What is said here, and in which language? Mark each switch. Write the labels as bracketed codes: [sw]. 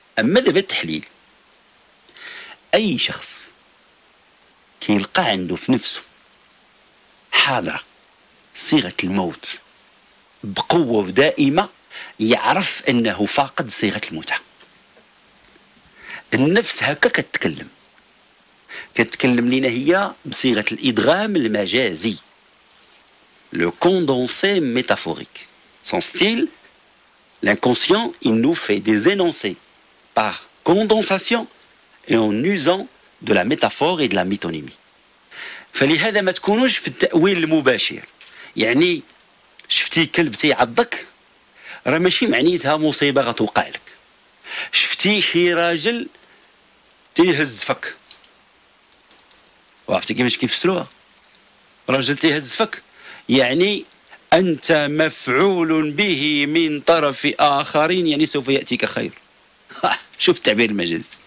[ar] أما دابا التحليل أي شخص كيلقى عنده في نفسه حاضرة صيغة الموت بقوة ودائمة يعرف أنه فاقد صيغة المتعة. النفس هكا كتكلم لنا هي بصيغة الإدغام المجازي [fr] لو كوندونسي ميتافوريك سون ستيل. L'inconscient, il nous fait des énoncés par condensation et en usant de la métaphore et de la métonymie. [ar] فلهذا ما تكونوش في التأويل المباشر. يعني شفتي كلب تيعضك راه ماشي معنيتها مصيبة غتوقع لك. شفتي شي راجل تيهز فك. وعرفتي كيفاش كيفسروها؟ راجل تيهز فك يعني أنت مفعول به من طرف آخرين يعني سوف يأتيك خير. شوف التعبير المجازي.